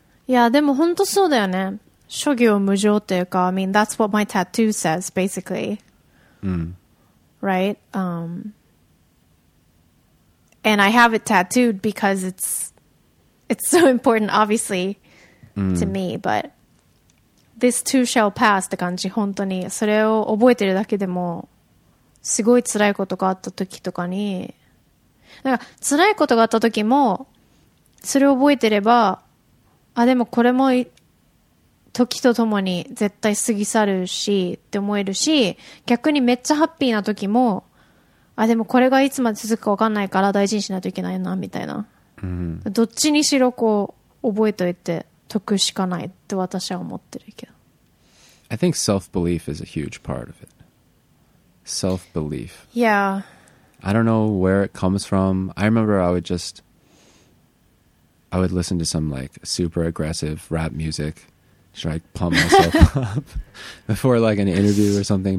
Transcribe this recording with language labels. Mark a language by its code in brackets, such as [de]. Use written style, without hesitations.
[en] yeah, [ja] でも本当そうだよね。諸行無常っていうか、 [en] I mean, that's what my tattoo says, basically. Right? And I have it tattooed because it's so important, obviously, to me. But this too shall pass [ja] って感じ、本当に。それを覚えてるだけでも、すごい辛いことがあった時とかに、なんか辛いことがあった時も、それを覚えてれば、あ、でもこれも、時とともに絶対過ぎ去るしって思えるし、逆にめっちゃハッピーな時も、あ、でもこれがいつまで続くか分かんないから大事にしないといけないな、みたいな。 Mm-hmm. どっちにしろこう、覚えといて得しかないって私は思ってるけど。 [en] I think self-belief is a huge part of it. Self-belief. Yeah. I don't know where it comes from. I remember I would listen to some like super aggressive rap music. Should I pump myself up before like an interview or something?